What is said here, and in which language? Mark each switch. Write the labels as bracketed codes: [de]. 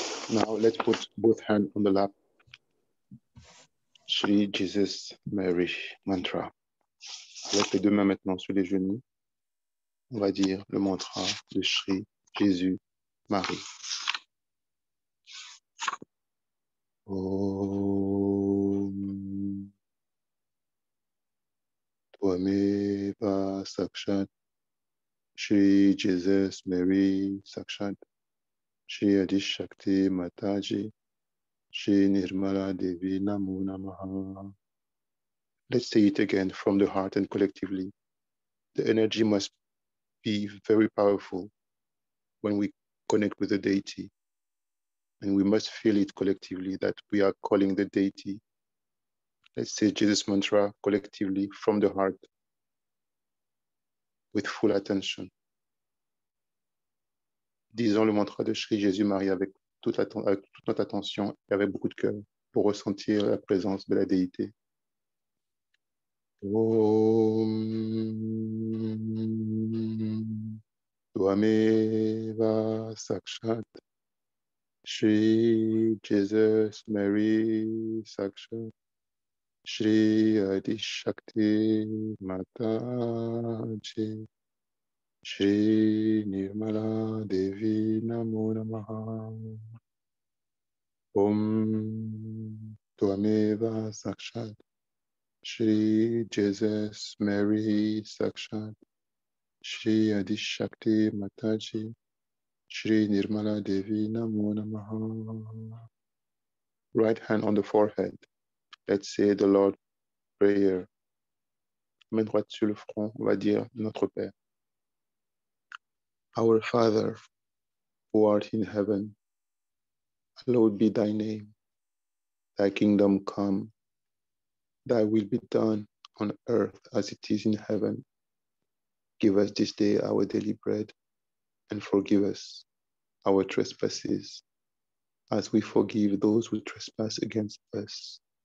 [en] Now let's put both hands on the lap. Shri, Jesus, Mary, mantra. [fr] Avec les deux mains maintenant sur les genoux, on va dire le mantra de Shri, Jésus, Marie. [sa] Om. Tvameva Sakshat. Shri, Jesus, Mary, Sakshat. Shri Adishakti Mataji, Shri Nirmala Devi Namo Namaha. [en] Let's say it again from the heart and collectively. The energy must be very powerful when we connect with the deity. And we must feel it collectively that we are calling the deity. Let's say Jesus mantra collectively from the heart with full attention. [fr] Disons le mantra de Shri Jésus-Marie avec toute notre attention et avec beaucoup de cœur pour ressentir la présence de la déité. [sa] Om Tvameva Sakshat Shri Jesus Mary Sakshat Shri Adishakti Mataji Shri Nirmala Devi Namo Namaha Om Tvameva Sakshat Shri Jesus Mary Sakshat Shri Adishakti Mataji Shri Nirmala Devi Namo Namaha [en] Right hand on the forehead. Let's say the Lord Prayer. [fr] Main droite sur le front, on va dire notre Père. [en] Our Father, who art in heaven, hallowed be thy name. Thy kingdom come, thy will be done on earth as it is in heaven. Give us this day our daily bread, and forgive us our trespasses, as we forgive those who trespass against us.